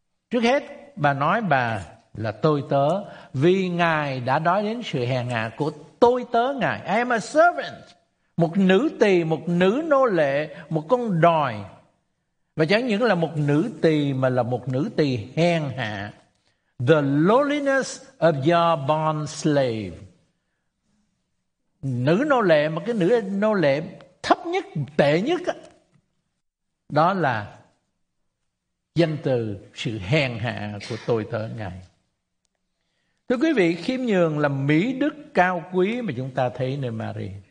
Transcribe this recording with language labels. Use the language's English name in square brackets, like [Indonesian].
[Vietnamese] Trước hết, bà nói bà là tôi tớ, vì Ngài đã đói đến sự hèn hạ của tôi tớ Ngài. [English] I am a servant. [Vietnamese] Một nữ tỳ, một nữ nô lệ, một con đòi. Và chẳng những là một nữ tỳ, mà là một nữ tỳ hèn hạ. [English] The lowliness of your bond slave. [Vietnamese] Nữ nô lệ, mà cái nữ nô lệ thấp nhất, tệ nhất, đó là danh từ sự hèn hạ của tôi tớ Ngài. Thưa quý vị, khiêm nhường là mỹ đức cao quý mà chúng ta thấy nơi Mary.